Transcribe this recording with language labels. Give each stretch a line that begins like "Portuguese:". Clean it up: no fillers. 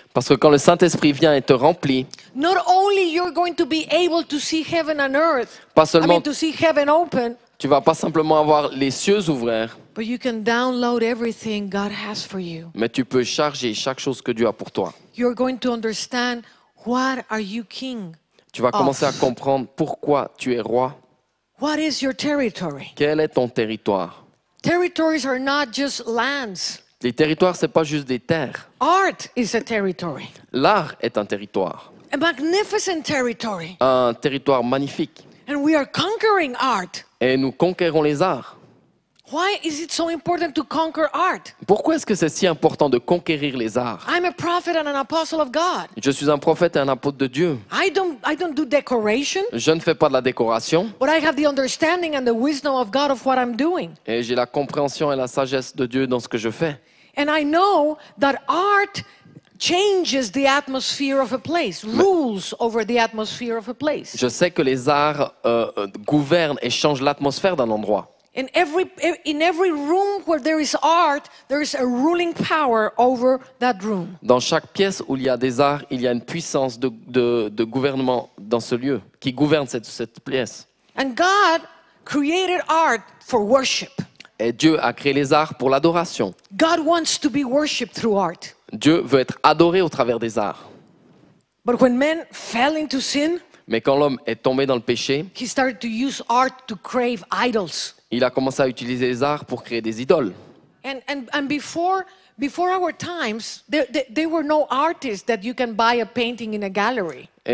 French: parce que quand le Saint-Esprit vient et te remplit,
English: not only you're going to be able to see heaven and earth,
French: pas seulement,
English: I mean to see heaven open,
French: tu vas pas simplement avoir les cieux ouverts,
English: but you can download everything God has for you.
French: Mais tu peux charger chaque chose que Dieu a pour toi.
English: You're going to understand what are you king of.
French: Tu vas commencer à comprendre pourquoi tu es roi.
English: What is your territory?
French: Quel est ton territoire?
English: Territories are not just lands.
French: Les territoires, c'est pas juste des terres.
English: Art is a territory.
French: L'art est un territoire.
English: A magnificent territory.
French: Un territoire magnifique.
English: And we are conquering art.
French: Et nous conquérons les arts.
English: Why is it so important to conquer art?
French: Pourquoi est-ce que c'est si important de conquérir les arts?
English: I'm a prophet and an apostle of God.
French: Je suis un prophète et un apôtre de Dieu.
English: I don't do decoration.
French: Je ne fais pas de la décoration.
English: But I have the understanding and the wisdom of God of what I'm doing.
French: Et j'ai la compréhension et la sagesse de Dieu dans ce que je fais.
English: And I know that art changes the atmosphere of a place, rules over the atmosphere of a place.
French: Je sais que les arts gouvernent et changent l'atmosphère d'un endroit.
English: In every room where there is art, there is a ruling power over that room.
French: Dans chaque pièce où il y a des arts, il y a une puissance de gouvernement dans ce lieu qui gouverne cette pièce.
English: And God created art for worship.
French: Et Dieu a créé les arts pour l'adoration.
English: God wants to be worshiped through art.
French: Dieu veut être adoré au travers des arts.
English: But when men fell into sin,
French: mais quand l'homme est tombé dans le péché,
English: he started to use art to crave idols.
French: Il a commencé à utiliser les arts pour créer des idoles.
English: And before our times, there were no artists that you can buy a painting in a gallery.